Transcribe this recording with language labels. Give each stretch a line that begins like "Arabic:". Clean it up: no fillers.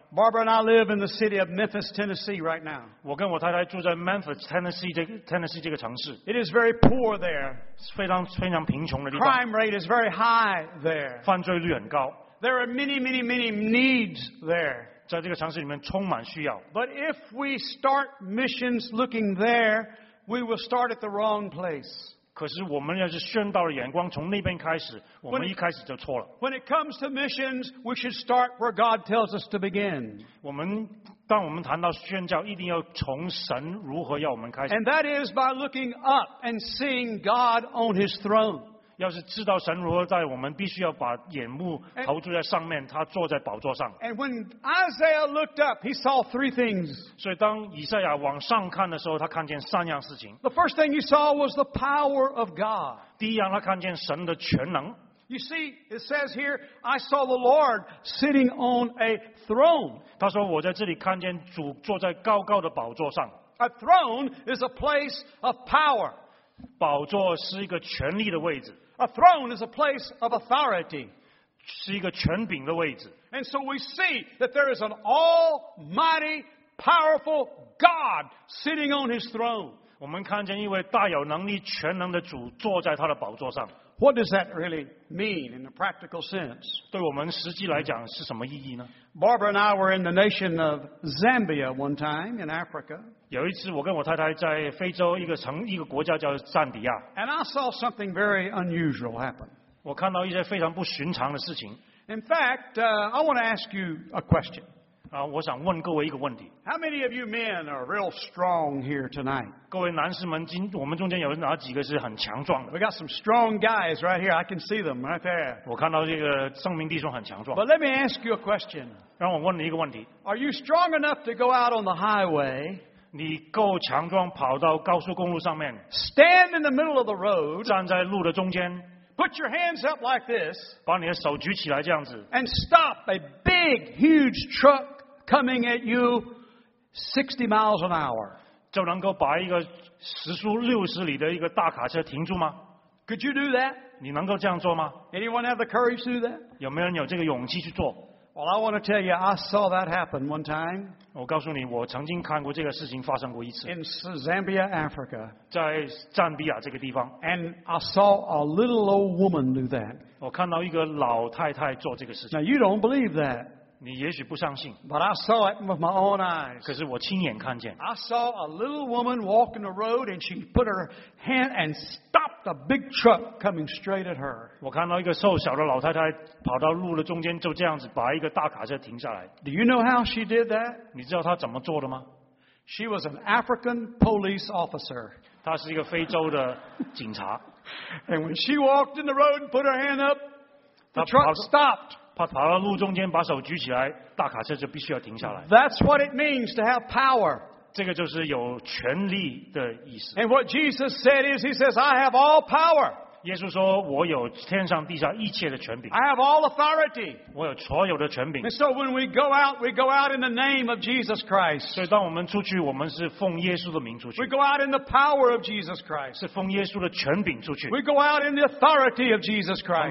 English: Barbara and I live in the city of Memphis, Tennessee right now.
Chinese: 我跟我太太住在 Memphis, Tennessee, Tennessee 这个城市。
English: It is very poor there.
Chinese: 非常非常贫穷的地方。
English: Crime rate is very high there.
Chinese: 犯罪率很高。
English: There are many, many, many needs there.
Chinese: 在这个城市里面充满需要。
English: But if we start missions looking there, we will start at the wrong place.
Chinese: 可是我们要是宣道的眼光从那边开始，我们一开始就错了。
English: When it comes to missions, we should start where God tells us to begin.
Chinese: 当我们谈到宣教，一定要从神如何要我们开始。
English: And that is by looking up and seeing God on His throne.
Chinese: 要是知道神如何在我们必须要把眼目投注在上面他坐在宝座上
English: And when Isaiah looked up, he saw three things.
Chinese: 所以当以赛亚往上看的时候他看见三样事情
English: The first thing he saw was the power of God.
Chinese: 第一样他看见神的全能
English: You see, it says here, I saw the Lord sitting on a throne.
Chinese: 他说我在这里看见主坐在高高的宝座上
English: A throne is a place of power.
Chinese: 宝座是一个权力的位置。
English: A throne is a place of authority.
Chinese: 是一个权柄的位置。
English: And so we see that there is an almighty, powerful God sitting on his throne.
Chinese: 我们看见一位大有能力、全能的主坐在他的宝座上。
English: What does that really mean in a practical sense?
Chinese: 对我们实际来讲是什么意义呢？
English: Barbara and I were in the nation of Zambia one time in Africa.
Chinese: 有一次，我跟我太太在非洲一个国家叫赞比亚。
English: And I saw something very unusual happen.
Chinese: 我看到一些非常不寻常的事情。
English: In fact, I want to ask you a question.
Chinese: 我想问各位一个问题。
English: How many of you men are real strong here tonight?
Chinese: 各位男士们，今我们中间有哪几个是很强壮的
English: ？We got some strong guys right here. I can see them right there.
Chinese: 我看到这个圣明弟兄很强壮。
English: But let me ask you a question.
Chinese: 让我问你一个问题。
English: Are you strong enough to go out on the highway?
Chinese: 你够强壮跑到高速公路上面
English: ？Stand in the middle of the road.
Chinese: 站在路的中间。
English: Put your hands up like this.
Chinese: 把你的手举起来这样子。
English: And stop a big, huge truck. Coming at you 60 miles an hour.
Chinese: 就能够把一个时速60里的一个大卡车停住吗？
English: Could you do that?
Chinese: 你能够这样做吗？
English: Anyone have the courage to do that?
Chinese: 有没有人有这个勇气去做？
English: Well, I want to tell you, I saw that happen one time.
Chinese: 我告诉你，我曾经看过这个事情发生过一次。
English: In Zambia, Africa.
Chinese: 在赞比亚这个地方。
English: And I saw a little old woman do that.
Chinese: 我看到一个老太太做这个事情。
English: Now, you don't believe that.
Chinese: 你也许不相信
English: But I saw it with my own eyes.
Chinese: 可是我亲眼看见
English: I saw a little woman walk in the road and she put her hand and stopped a big truck coming straight at her.
Chinese: 我看到一个瘦小的老太太跑到路的中间就这样子把一个大卡车停下来
English: Do you know how she did that?
Chinese: 你知道她怎么做的吗
English: She was an African police officer.
Chinese: 她是一个非洲的警察
English: And when she walked in the road and put her hand up, the truck stopped.
Chinese: 他跑到路中间把手举起来大卡车就必须要停下来
English: That's what it means to have power.
Chinese: 这个就是有权力的意思
English: And what Jesus said is he says I have all power.
Chinese: 耶稣说我有天上地下一切的权柄
English: I have all authority.
Chinese: 我有所有的权柄
English: And so when we go out in the name of Jesus Christ.
Chinese: 所以当我们出去我们是奉耶稣的名出去
English: We go out in the power of Jesus Christ.
Chinese: 是奉耶稣的权柄出去
English: We go out in the authority of Jesus Christ.